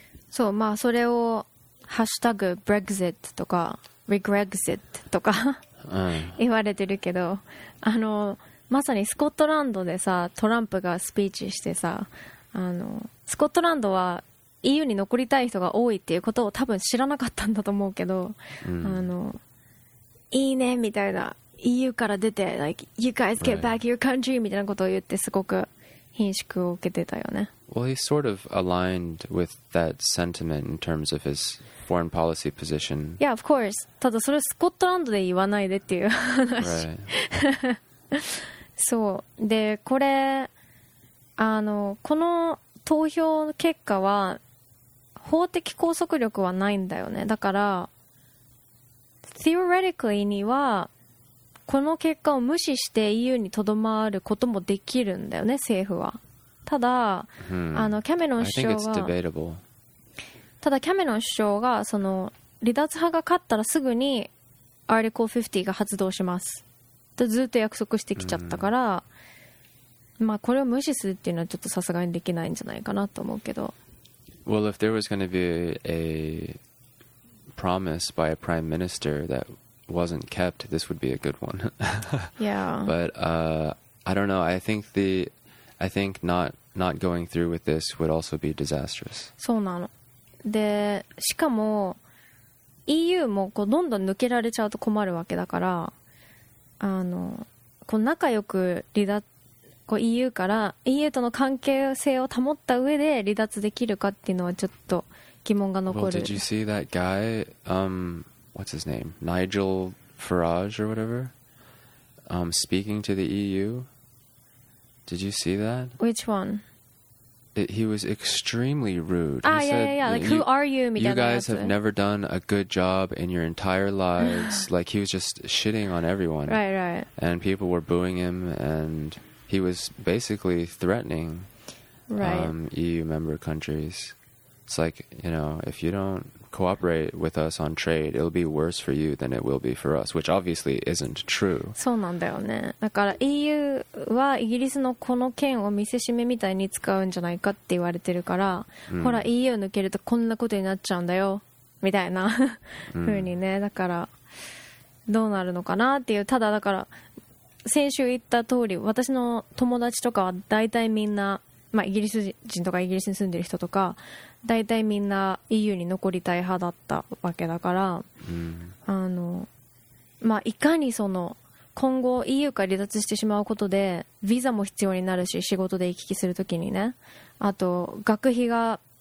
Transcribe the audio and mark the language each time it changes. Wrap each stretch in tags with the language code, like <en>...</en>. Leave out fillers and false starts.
<ja>そう、まあそれをハッシュタグ Brexit とか Regrexit とか言われてるけど、あのまさにスコットランドでさ、トランプがスピーチしてさ、あのスコットランドはEU に残りたい人が多いっていうことを多分知らなかったんだと思うけど、うん、あのいいねみたいな、 EU から出て</ja> <en>like you guys get back your country</en> <ja>みたいなことを言ってすごく顰蹙を受けてたよね。</ja> <en>Well, he sort of aligned with that sentiment in terms of his foreign policy position. Yeah, of course.</en> <ja>ただそれスコットランドで言わないでっていう話。そうで、これあのこの投票結果は法的拘束力はないんだよね。だから theoretically にはこの結果を無視して EU にとどまることもできるんだよね、政府は。ただ、あのキャメロン首相が、ただキャメロン首相がその離脱派が勝ったらすぐに Article 50が発動しますとずっと約束してきちゃったから、まあこれを無視するっていうのはちょっとさすがにできないんじゃないかなと思うけど。</ja> <en>Well, if there was going to be a promise by a prime minister that wasn't kept, this would be a good one. Yeah. But I don't know. I think not going through with this would also be disastrous.</en> <ja>そうなの。で、しかも EU もこうどんどん抜けられちゃうと困るわけだから、あのこう仲良く離脱EU から EU との関係性を保った上で離脱できるかっていうのはちょっと疑問が残る。</ja> <en>Well, did you see that guy? What's his name? Nigel Farage or whatever? Speaking to the EU? Did you see that? Which one? He was extremely rude. Ah, yeah. Like, who are you? You guys have never done a good job in your entire lives. Like, he was just shitting on everyone. Right. And people were booing him and... He was basically threatening EU member countries. It's like, you know, if you don't cooperate with us on trade, it'll be worse for you than it will be for us, which obviously isn't true.</en> <ja>そうなんだよね。だから EU はイギリスのこの件を見せしめみたいに使うんじゃないかって言われてるから、ほら EU 抜けるとこんなことになっちゃうんだよ、みたいな風にね。だからどうなるのかなっていう、ただだから先週言った通り、私の友達とかは大体みんな、まあ、イギリス人とかイギリスに住んでる人とか大体みんな EU に残りたい派だったわけだから、あの、まあ、いかにその今後 EU から離脱してしまうことでビザも必要になるし、仕事で行き来するときにね、あと学費が、</ja>